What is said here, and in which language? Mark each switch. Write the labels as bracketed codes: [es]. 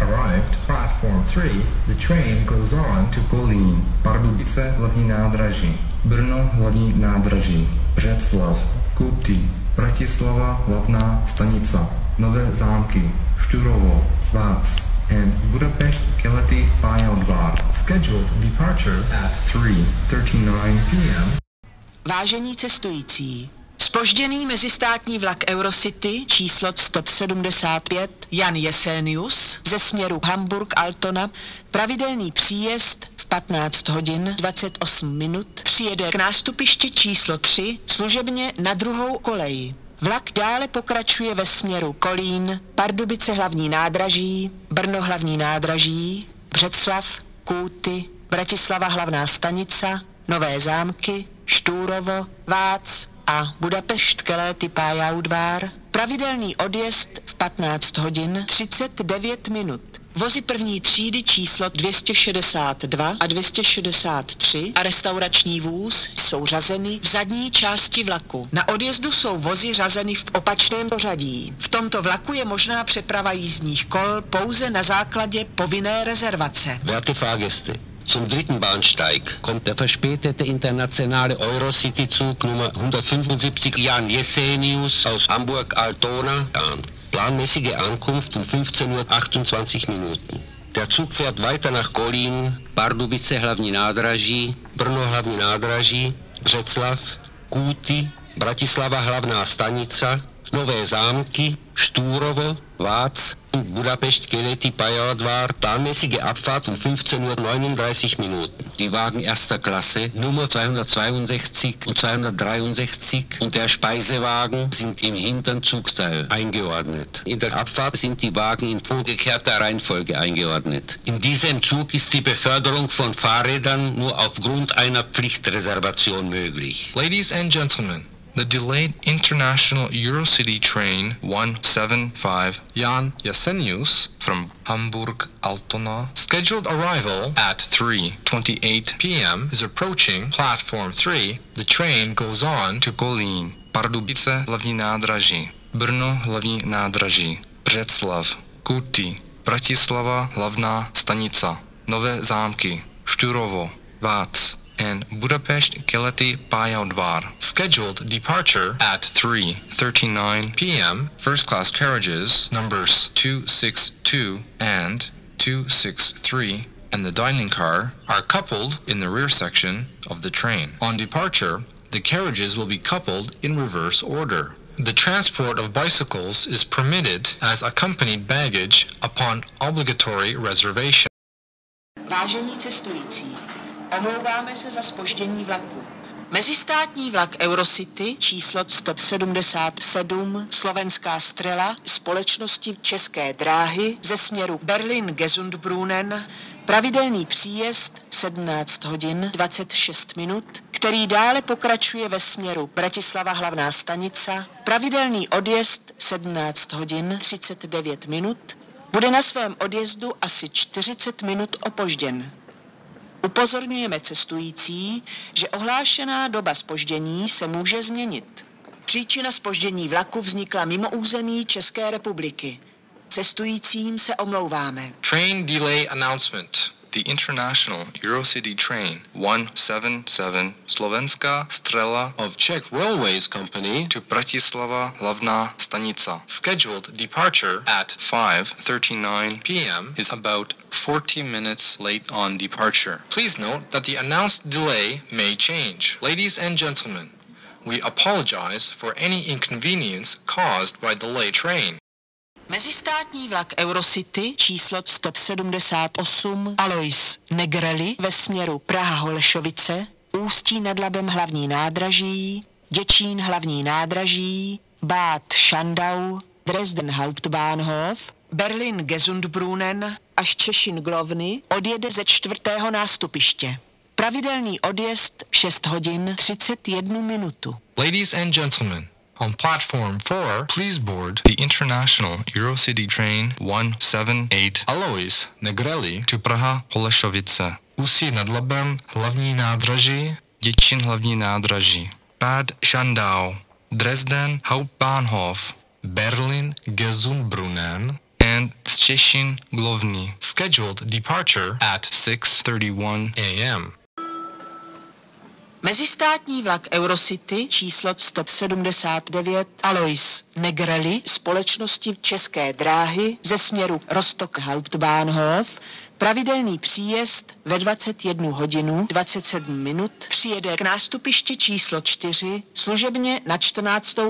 [en] Arrived platform 3. The train goes on to Kolín, Pardubice hlavní nádraží, Brno hlavní nádraží, Břeclav, Kuty, Bratislava hlavná stanice, Nové zámky, Štúrovo, Vác and Budapest Keleti Pályaudvar. Scheduled departure at 3:39 p.m. [cs] Vážení cestující, spožděný mezistátní vlak Eurocity číslo 175 Jan Jesenius ze směru Hamburg-Altona, pravidelný příjezd v 15:28, přijede k nástupišti číslo 3 služebně na druhou kolej. Vlak dále pokračuje ve směru Kolín, Pardubice hlavní nádraží, Brno hlavní nádraží, Břeclav, Kůty, Bratislava hlavná stanice, Nové zámky, Štúrovo, Vác a Budapešť Keleti Pályaudvar. Pravidelný odjezd v 15:39. vozy první třídy číslo 262 a 263 a restaurační vůz jsou řazeny v zadní části vlaku. Na odjezdu jsou vozy řazeny v opačném pořadí. V tomto vlaku je možná přeprava jízdních kol pouze na základě povinné rezervace. [de] Werte Fahrgäste, zum dritten Bahnsteig kommt der verspätete internationale Eurocity-Zug Nummer 175 Jan Jesenius aus Hamburg-Altona an. Planmäßige Ankunft um 15.28 Uhr. Der Zug fährt weiter nach Kolín, Pardubice hlavní nádraží, Brno hlavní nádraží, Břeclav, Kúty, Bratislava hlavná stanica, Nové zámky, Štúrovo, Vác, Budapešť, Keleti, Pajadvár, planmäßige Abfahrt um 15.39 Uhr. Die Wagen erster Klasse Nummer 262 und 263 und der Speisewagen sind im hinteren Zugteil eingeordnet. In der Abfahrt sind die Wagen in umgekehrter Reihenfolge eingeordnet. In diesem Zug ist die Beförderung von Fahrrädern nur aufgrund einer Pflichtreservation möglich. [en] Ladies and Gentlemen, the delayed international Eurocity train 175 Jan Jesenius from Hamburg-Altona, scheduled arrival at 3:28 p.m., is approaching platform 3. The train goes on to Kolín, Pardubice hlavní nádraží, Brno hlavní nádraží, Břeclav, Kuty, Bratislava hlavná stanica, Nové zámky, Štúrovo, Vác, and Budapest Keleti Pályaudvar. Scheduled departure at 3:39 p.m. First class carriages numbers 262 and 263 and the dining car are coupled in the rear section of the train. On departure, the carriages will be coupled in reverse order. The transport of bicycles is permitted as accompanied baggage upon obligatory reservation. [cs] Vážení cestující, omlouváme se za zpoždění vlaku. Mezistátní vlak Eurocity číslo 177 Slovenská Strela společnosti České dráhy ze směru Berlin-Gesundbrunnen pravidelný příjezd 17 hodin 26 minut, který dále pokračuje ve směru Bratislava hlavná stanica, pravidelný odjezd 17 hodin 39 minut, bude na svém odjezdu asi 40 minut opožděn. Upozorňujeme cestující, že ohlášená doba zpoždění se může změnit. Příčina zpoždění vlaku vznikla mimo území České republiky. Cestujícím se omlouváme. [en] Train delay announcement. The international Eurocity train 177 Slovenská Strela of Czech Railways Company to Bratislava hlavná stanica. Scheduled departure at 5:39 p.m. is about 40 minutes late on departure. Please note that the announced delay may change. Ladies and gentlemen, we apologize for any inconvenience caused by the late train. [cs] Mezistátní vlak Eurocity číslo 178 Alois Negreli ve směru Praha-Holešovice, Ústí nad Labem hlavní nádraží, Děčín hlavní nádraží, Bad Schandau, Dresden Hauptbahnhof, Berlin Gesundbrunnen až Češin Glovny odjede ze čtvrtého nástupiště. Pravidelný odjezd 6 hodin 31 minutu. [en] Ladies and gentlemen, on platform 4, please board the international Eurocity train 178 Alois Negreli to Praha Holešovice. Ústí nad Labem hlavní nádraží, Děčín hlavní nádraží, Bad Schandau, Dresden Hauptbahnhof, Berlin Gesundbrunnen and Szczecin Główny. Scheduled departure at 6:31 a.m. [cs] Mezistátní vlak Eurocity číslo 179 Alois Negreli společnosti České dráhy ze směru Rostock Hauptbahnhof pravidelný příjezd ve 21 hodinu 27 minut přijede k nástupišti číslo 4 služebně na 14.